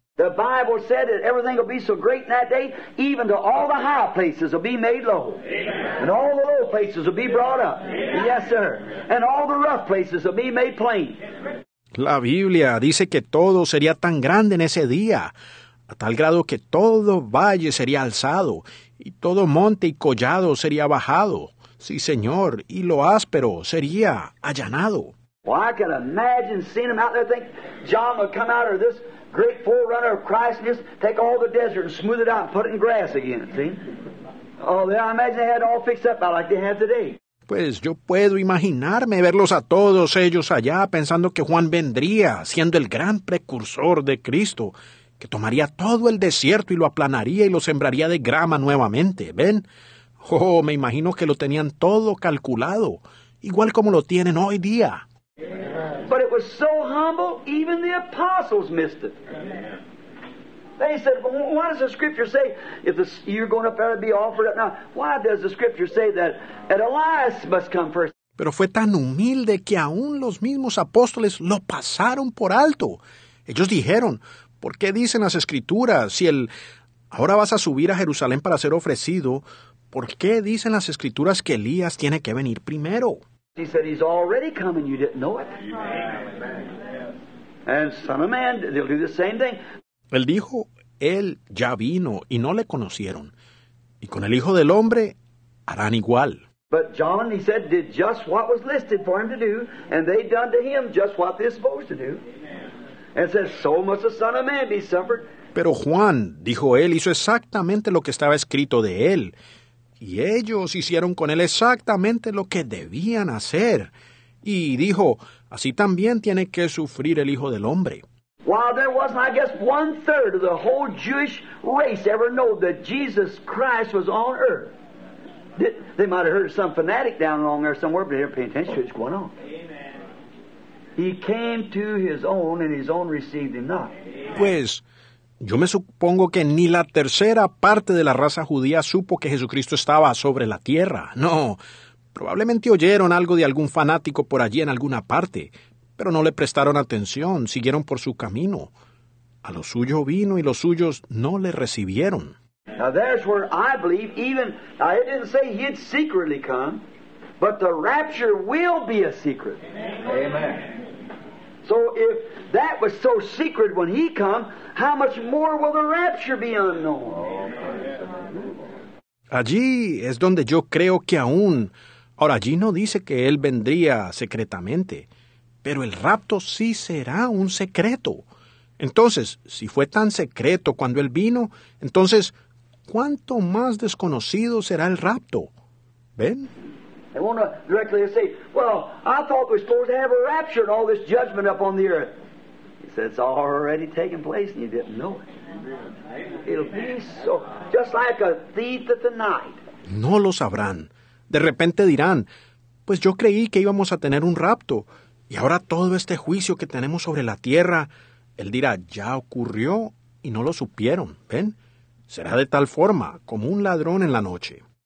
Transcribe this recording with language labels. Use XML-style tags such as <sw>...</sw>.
<en>The Bible said that everything will be so great in that day, even to all the high places will be made low. Amen. And all the low places will be brought up. Amen. Yes, sir. And all the rough places will be made plain.</en> <es>La Biblia dice que todo sería tan grande en ese día, a tal grado que todo valle sería alzado, y todo monte y collado sería bajado. Sí, señor, y lo áspero sería allanado.</es> <en>Well, I can imagine seeing him out there think John would come out or this great forerunner of Christ and just take all the desert and smooth it out and put it in grass again, see? Oh, then I imagine they had it all fixed up out like they have today.</en> <es>Pues yo puedo imaginarme verlos a todos ellos allá pensando que Juan vendría siendo el gran precursor de Cristo, que tomaría todo el desierto y lo aplanaría y lo sembraría de grama nuevamente, ¿ven? Oh, me imagino que lo tenían todo calculado, igual como lo tienen hoy día.</es> <en>But it was so humble, even the apostles missed it. They said, well, why does the scripture say, if the, you're going up there to be offered up now, why does the scripture say that Elias must come first?</en> <es>Pero fue tan humilde que aún los mismos apóstoles lo pasaron por alto. Ellos dijeron, ¿por qué dicen las Escrituras si el ahora vas a subir a Jerusalén para ser ofrecido? ¿Por qué dicen las Escrituras que Elías tiene que venir primero?</es> <en>He said, he's already come and you didn't know it. Amen. And Son of Man, they'll do the same thing.</en> <es>Él dijo, él ya vino y no le conocieron. Y con el Hijo del Hombre harán igual.</es> <en>But John, he said, did just what was listed for him to do, and they done to him just what they're supposed to do. And says, so must the Son of Man be suffered.</en> <es>Pero Juan, dijo él, hizo exactamente lo que estaba escrito de él. Y ellos hicieron con él exactamente lo que debían hacer. Y dijo, así también tiene que sufrir el Hijo del Hombre.</es> <en>While there wasn't, I guess, one third of the whole Jewish race ever know that Jesus Christ was on earth. They might have heard some fanatic down along there somewhere, but they didn't pay attention to what's going on. Amen. He came to his own, and his own received him not.</en> <es>Pues, yo me supongo que ni la tercera parte de la raza judía supo que Jesucristo estaba sobre la tierra. No, probablemente oyeron algo de algún fanático por allí en alguna parte, pero no le prestaron atención, siguieron por su camino. A lo suyo vino y los suyos no le recibieron.</es> <en>Now there's where I believe even, I didn't say he'd secretly come, but the rapture will be a secret. Amen. Amen. So if that was so secret when he come, how much more will the rapture be unknown?</en> <es>Allí es donde yo creo que aún, Ahora, allí no dice que él vendría secretamente, pero el rapto sí será un secreto. Entonces, si fue tan secreto cuando él vino, entonces, ¿cuánto más desconocido será el rapto? ¿Ven?</es> <en>They want to directly say, well, I thought we're supposed to have a rapture and all this judgment up on the earth. He said, it's already taken place and you didn't know it. It'll be so, just like a thief at the night.</en> <es>No lo sabrán. De repente dirán, pues yo creí que íbamos a tener un rapto, y ahora todo este juicio que tenemos sobre la tierra, él dirá, ya ocurrió y no lo supieron. ¿Ven? Será de tal forma, como un ladrón en la noche.</es>